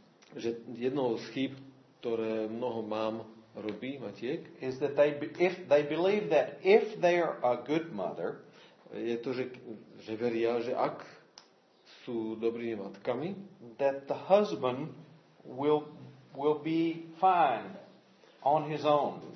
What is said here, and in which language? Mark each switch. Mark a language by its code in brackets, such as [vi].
[sk] že jedno z chýb, ktoré mnoho mám robí, matiek, [en] is that they if they believe that if they are a good mother [sk] je to, že veria, že ak sú dobrými matkami [en] that the husband will be fine on his own.